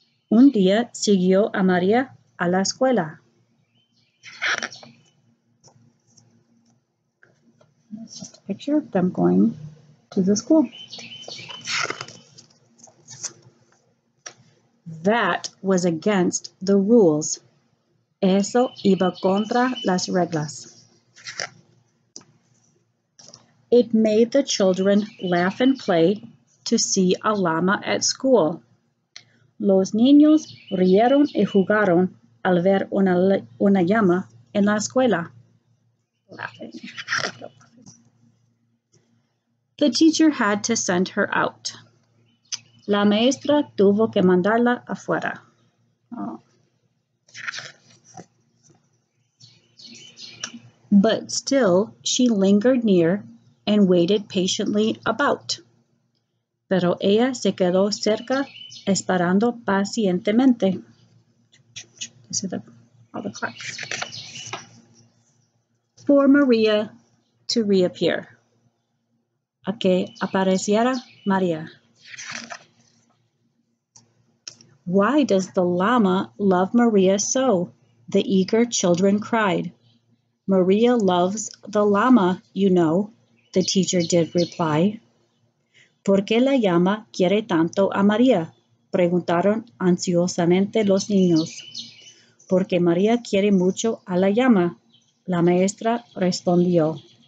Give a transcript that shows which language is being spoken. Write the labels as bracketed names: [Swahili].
[Spanish] Un día siguió a María a la escuela. [English] That's just a picture of them going to the school. That was against the rules. [Spanish] Eso iba contra las reglas. [English] It made the children laugh and play to see a llama at school. [Spanish] Los niños rieron y jugaron al ver una llama en la escuela. [English] Laughing. The teacher had to send her out. [Spanish] La maestra tuvo que mandarla afuera. [English] Oh. But still, she lingered near and waited patiently about. [Spanish] Pero ella se quedó cerca, esperando pacientemente. [English] This is all the clocks. For Maria to reappear. [Spanish] A que apareciera Maria. [English] Why does the llama love Maria so? The eager children cried. Maria loves the llama, you know, the teacher did reply. [Spanish] ¿Por qué la llama quiere tanto a María? Preguntaron ansiosamente los niños. Porque María quiere mucho a la llama, la maestra respondió.